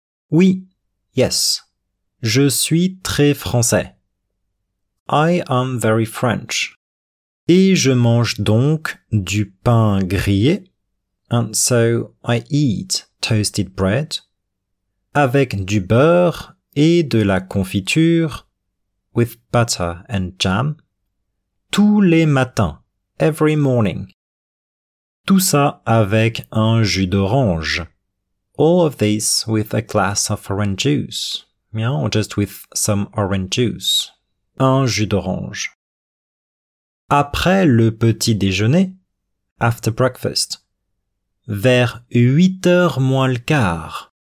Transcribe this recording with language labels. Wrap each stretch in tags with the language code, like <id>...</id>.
<fr>Oui,</fr> <en>yes,</en> <fr>je suis très français.</fr> <en>I am very French.</en> <fr>Et je mange donc du pain grillé.</fr> <en>And so, I eat toasted bread.</en> <fr>Avec du beurre. Et de la confiture,</fr> <en>with butter and jam,</en> <fr>tous les matins,</fr> <en>every morning.</en> <fr>Tout ça avec un jus d'orange.</fr> <en>All of this with a glass of orange juice. Yeah, or just with some orange juice.</en> <fr>Un jus d'orange. Après le petit déjeuner,</fr> <en>after breakfast,</en> <fr>vers 8h moins le quart.</fr>